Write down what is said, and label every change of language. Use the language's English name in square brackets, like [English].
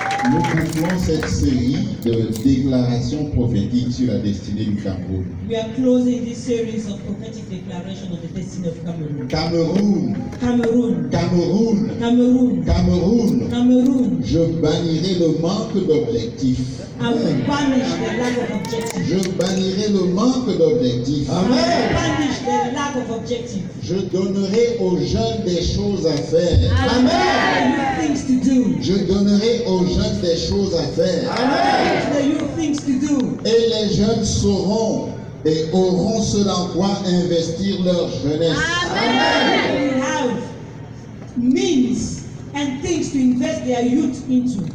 [French] Nous concluons cette série de déclarations prophétiques sur la destinée du Cameroun. [English] We are closing this series of prophetic declarations of the destiny of Cameroon. [French] Cameroun. Cameroun. Cameroun. Cameroun. Cameroun. Cameroun. Je bannirai le manque d'objectifs. Je bannirai le manque d'objectifs. Amen. Je donnerai aux jeunes des choses à faire. Amen. Je donnerai aux jeunes des choses à faire. Amen. Et les jeunes sauront et auront ce dans quoi investir leur jeunesse. Amen. [English] They have means and things to invest their youth into.